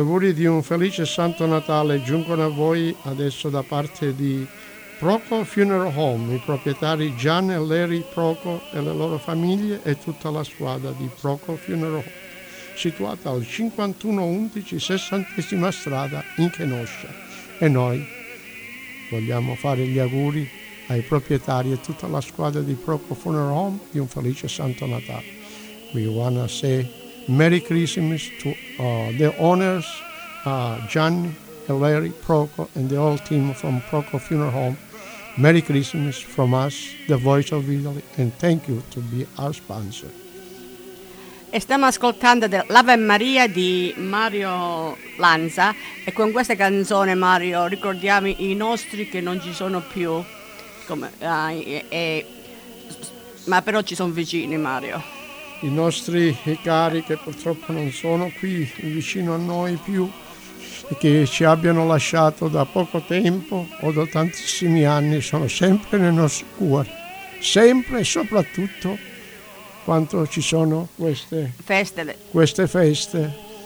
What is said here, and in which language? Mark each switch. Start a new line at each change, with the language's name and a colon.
Italian: Di un felice Santo Natale giungono a voi adesso da parte di Proco Funeral Home, i proprietari Gian e Larry Proco e le loro famiglie e tutta la squadra di Proco Funeral Home, situata al 5111 60esima strada in Kenosha. E noi vogliamo fare gli auguri ai proprietari e tutta la squadra di Proco Funeral Home di un felice Santo Natale.
English: We wanna say Merry Christmas to the owners, Gianni and Larry Proco, and the whole team from Proco Funeral Home. Merry Christmas from us, the Voice of Italy, and thank you to be our sponsor.
Italian: E stiamo ascoltando l'Ave Maria di Mario Lanza, e con questa canzone, Mario, ricordiamo i nostri che non ci sono più, ma però ci sono vicini, Mario. I nostri cari che purtroppo non sono qui vicino a noi più, che ci abbiano lasciato da poco tempo o da tantissimi anni, sono sempre nel nostro cuore, sempre e soprattutto quando ci sono queste feste.